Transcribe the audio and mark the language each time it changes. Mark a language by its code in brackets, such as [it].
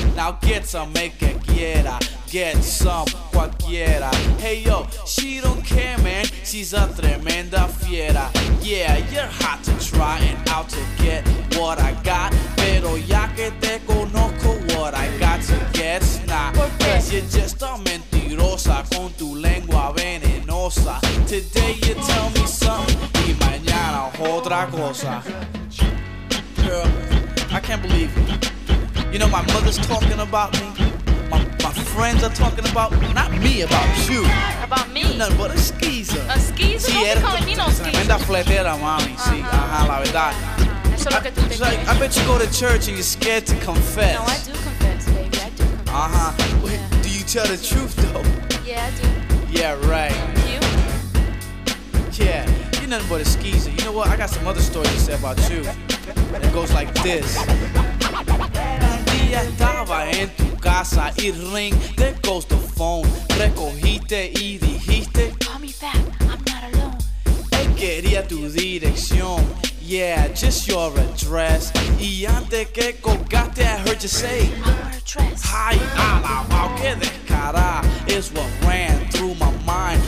[en] Now get some, [es] el que quiera, [en] get some, [es] cualquiera. [en] Hey yo, she don't care, man, she's a [es] tremenda fiera. [en] Yeah, you're hot to try and out to get what I got. [es] Pero ya que te conozco, [en] what I got to get's not. Cause you're just a [es] mentirosa con tu lengua venenosa. [en] Today you tell me something, [es] y mañana otra cosa. [en] Girl, I can't believe it. You know my mother's talking about me. My friends are talking about me. Not me, about you. About me? You're nothing but a skeezer. A skeezer? Don't be calling me no skeezer. [es] Tremenda fletera, mami. Si, ajá, la verdad. [en] I bet you go to church and you're scared to confess. No, I do confess, baby. I do confess. Uh-huh. Wait, yeah. Do you tell the truth, though? Yeah, I do. Yeah, right. You? Yeah, you're nothing but a skeezer. You know what? I got some other stories to say about you. It goes like this. [es] Un día estaba en tu casa y ring, [en] there goes the phone. [es] Recogiste y dijiste, [en] call me back, I'm not alone. [es] Quería tu dirección. [en] Yeah, just your address. [es] Y antes que colgaste, [en] I heard you say, I'm her address. [es] Ay, alabao, que descara, [en] is what ran through my mind.